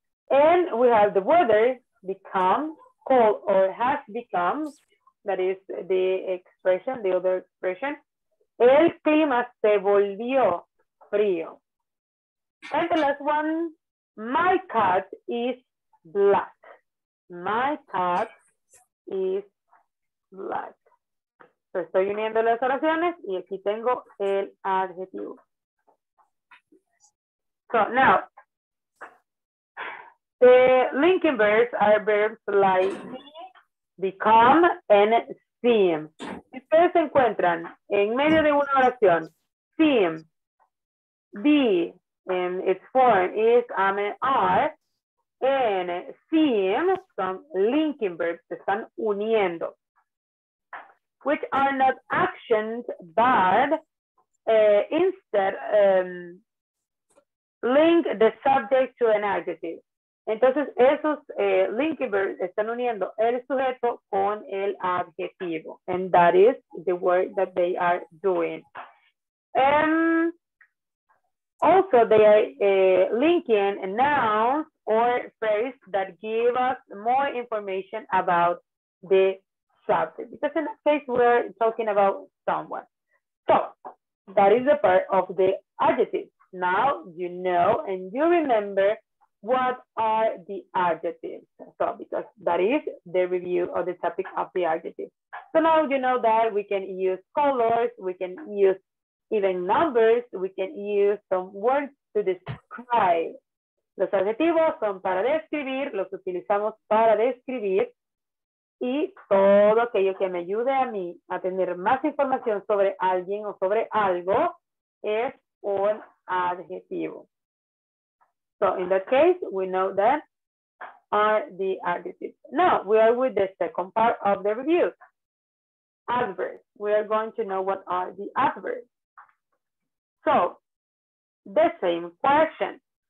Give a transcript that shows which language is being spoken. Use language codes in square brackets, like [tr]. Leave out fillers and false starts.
[en] And we have the weather become cold or has become. That is the expression, the other expression. [es] El clima se volvió frío. [en] And the last one, my cat is black. My cat is black. So [es] estoy uniendo las oraciones y aquí tengo el adjetivo. [en] So now, the linking verbs are verbs like become and seem. [es] Si ustedes se encuentran en medio de una oración, [en] seem, be, in its form is, am, and are, and seem, some linking verbs [es] están uniendo, [en] which are not actions, but instead link the subject to an adjective. [es] Entonces, esos linking verbs están uniendo el sujeto con el adjetivo. [en] And that is the work that they are doing. Also, they are linking nouns or phrases that give us more information about the subject. Because in that case, we're talking about someone. So, that is the part of the adjective. Now, you know and you remember what are the adjectives? So, because that is the review of the topic of the adjective. So now you know that we can use colors, we can use even numbers, we can use some words to describe. [es] Los adjetivos son para describir, los utilizamos para describir, y todo aquello que me ayude a mí a tener más información sobre alguien o sobre algo es un adjetivo. [en] So in that case, we know that are the adjectives. Now, we are with the second part of the review. Adverbs. We are going to know what are the adverbs. So, the same question.